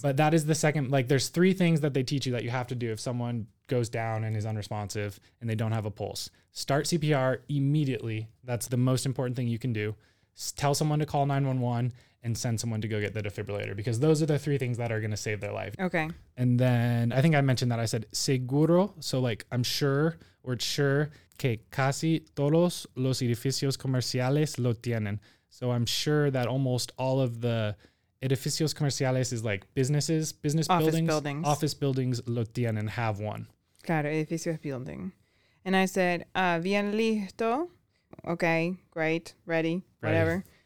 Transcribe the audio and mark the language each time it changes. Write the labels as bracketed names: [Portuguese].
[English] But that is the second, like there's three things that they teach you that you have to do if someone goes down and is unresponsive and they don't have a pulse. Start CPR immediately. That's the most important thing you can do. Tell someone to call 911 and send someone to go get the defibrillator because those are the three things that are going to save their life. Okay. And then I think I mentioned that I said seguro. So like I'm sure or it's sure. [Spanish] Que casi todos los edificios comerciales lo tienen. [English] So I'm sure that almost all of the [Spanish] edificios comerciales [English] is like businesses, business office buildings. Office buildings. Office buildings [Spanish] lo tienen, [English] have one. Claro, edificios building. And I said, [Spanish] bien listo. [English] Okay, great, ready, whatever.